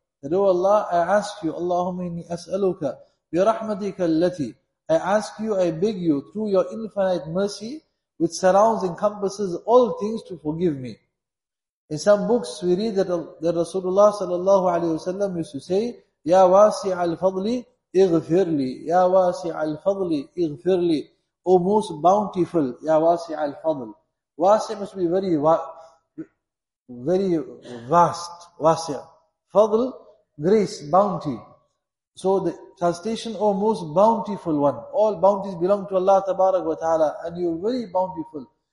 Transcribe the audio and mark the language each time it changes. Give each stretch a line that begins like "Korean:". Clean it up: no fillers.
English: That, oh Allah, I ask you,
Arabic: Allahumma inni as'aluka bi rahmatika allati.
English: I ask you, I beg you, through your infinite mercy, which surrounds, encompasses all things, to forgive me. In some books we read that Rasulullah sallallahu alayhi wa sallam used to say,
Arabic: Ya wasi'al fadli, اغفر لي يا واسع الفضل اغفر لي.
English: O most bountiful,
Arabic: ya wasi al-fadl.
English: Wasi must be very, very vast, wasi. Fadl, grace, bounty. So the translation, O most bountiful one. All bounties belong to Allah tabarak wa ta'ala, and you are very bountiful.